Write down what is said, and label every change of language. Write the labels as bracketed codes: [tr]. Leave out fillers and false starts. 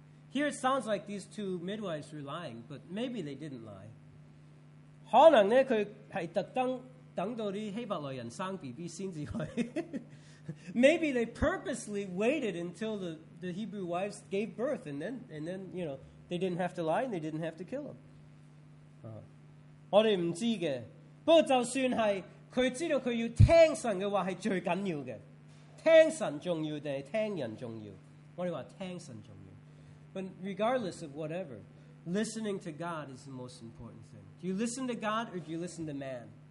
[en] Here it sounds like these two midwives were lying, but maybe they didn't lie. [zh] 可能他是特意等到希伯来人生BB才去。 [en] Maybe they purposely waited until the Hebrew wives gave birth, and then, you know, they didn't have to lie and they didn't have to kill them. [zh] 我们不知道的。不过就算是他知道他要听神的话是最重要的，听神重要还是听人重要？我们说听神重要。 [en] But regardless of whatever, listening to God is the most important thing. Do you listen to God or do you listen to man?